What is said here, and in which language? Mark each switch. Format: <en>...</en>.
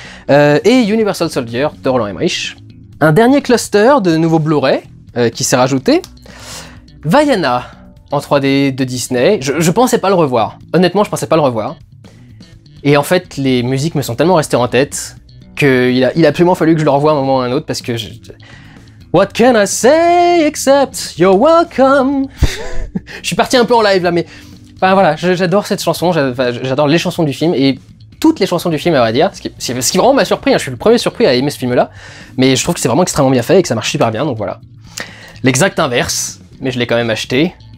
<fr>Et Universal Soldier de Roland Emmerich. Un dernier cluster de nouveaux Blu-ray qui s'est rajouté. Vaiana en 3D de Disney. Je pensais pas le revoir. Honnêtement, je pensais pas le revoir. Et en fait, les musiques me sont tellement restées en tête qu'il a absolument fallu que je le revoie à un moment ou à un autre parce que...</fr> <en>What can I say except you're welcome?</en> <fr>Je suis parti un peu en live là, mais... Enfin voilà, j'adore cette chanson, j'adore les chansons du film et... Toutes les chansons du film, à vrai dire, ce qui vraiment m'a surpris, hein, je suis le premier surpris à aimer ce film-là, mais je trouve que c'est vraiment extrêmement bien fait et que ça marche super bien, donc voilà. L'exact inverse, mais je l'ai quand même acheté.</fr>